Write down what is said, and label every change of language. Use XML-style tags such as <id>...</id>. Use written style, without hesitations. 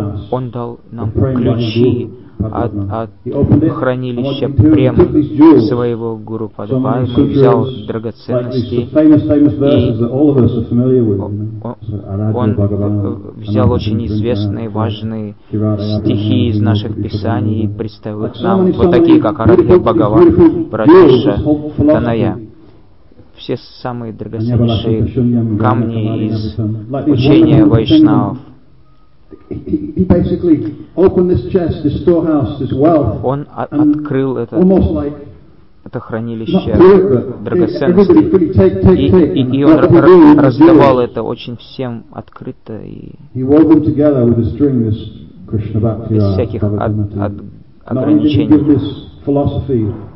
<ru>Он дал нам ключи от хранилища прем своего Гуру Падмы, взял драгоценности, он взял очень известные, важные стихи из наших писаний и представил их нам, вот такие, как Арадхи Бхагаван, Брадиша, Танайя. Все самые драгоценнейшие камни из учения вайшнавов.</ru> <en>He basically opened this chest, this storehouse, this wealth.</en> <ru>Он открыл это,</ru> <en>almost like</en> <ru>это хранилище драгоценностей, и он раздавал это очень всем открыто и без всяких ограничений.</ru>